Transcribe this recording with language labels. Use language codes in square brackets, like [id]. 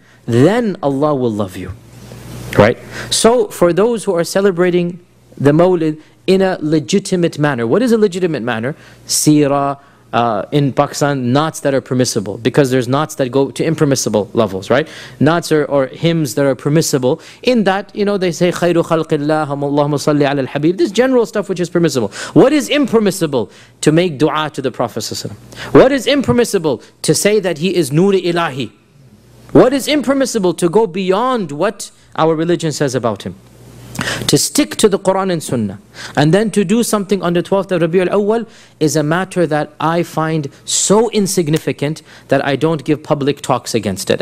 [en] Then Allah will love you. Right? So, for those who are celebrating the Mawlid in a legitimate manner. What is a legitimate manner? Seerah. In Pakistan, knots that are permissible, because there's knots that go to impermissible levels, right? Knots or hymns that are permissible. In that, you know, they say [ar] خَيْرُ خَلْقِ اللَّهُ اللَّهُمَّ صَلِّ عَلَى الْحَبِيبِ. [en] This general stuff which is permissible. What is impermissible? To make dua to the Prophet ﷺ. What is impermissible? To say that he is Nuri Ilahi. What is impermissible? To go beyond what our religion says about him. To stick to the Quran and Sunnah, and then to do something on the 12th of Rabi'ul Awwal is a matter that I find so insignificant that I don't give public talks against it.